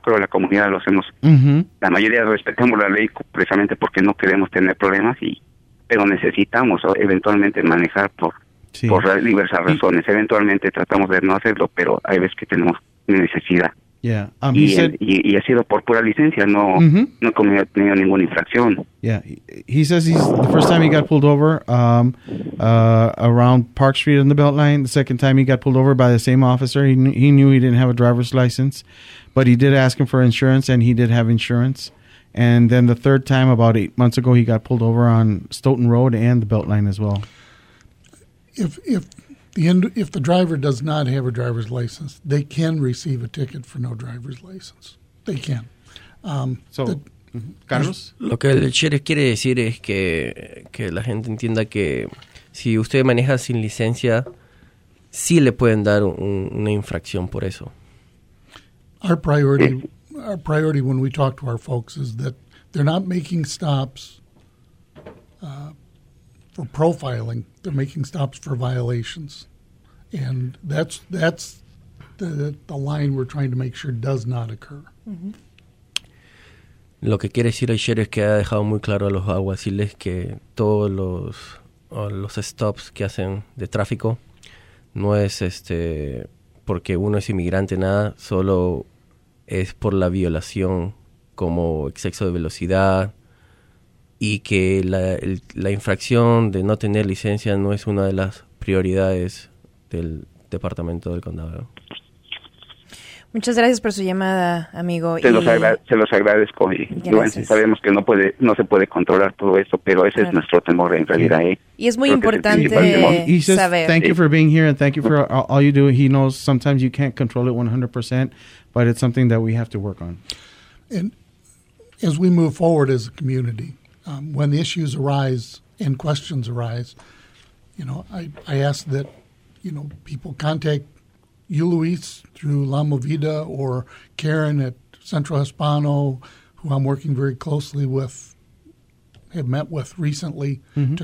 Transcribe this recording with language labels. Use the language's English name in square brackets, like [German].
[Spanish] Creo que la comunidad lo hacemos. La mayoría respetamos la ley precisamente porque no queremos tener problemas y pero necesitamos eventualmente manejar por diversas razones. Eventualmente tratamos de no hacerlo, pero hay veces que tenemos necesidad. [English] Yeah. [Spanish] Y ha sido por pura licencia, no, no he tenido ninguna infracción. [English] Yeah, he says he's the first time he got pulled over around Park Street in the Beltline. The second time he got pulled over by the same officer. He knew he didn't have a driver's license, but he did ask him for insurance, and he did have insurance. And then the third time, about 8 months ago, he got pulled over on Stoughton Road and the Beltline as well. If the driver does not have a driver's license, they can receive a ticket for no driver's license. They can. Carlos? [Spanish] Lo que el sheriff quiere decir es que la gente entienda que si usted maneja sin licencia, sí le pueden dar una infracción por eso. [English] Our priority when we talk to our folks is that they're not making stops for profiling. They're making stops for violations. And that's the line we're trying to make sure does not occur. Mm-hmm. [Spanish] Lo que quiere decir el sheriff es que ha dejado muy claro a los aguaciles que todos los stops que hacen de tráfico no es porque uno es inmigrante, nada, solo es por la violación como exceso de velocidad, y que la infracción de no tener licencia no es una de las prioridades del departamento del condado. Muchas gracias por su llamada, amigo. Se los agradezco. Y bueno, sabemos que no se puede controlar todo eso, pero ese es nuestro temor en realidad. Y es muy importante saber. [English] Thank you for being here and thank you for all you do. He knows sometimes you can't control it 100%, but it's something that we have to work on. And as we move forward as a community, when the issues arise and questions arise, you know, I ask that, you know, people contact you, Luis, through La Movida, or Karen at Centro Hispano, who I'm working very closely with, have met with recently, mm-hmm.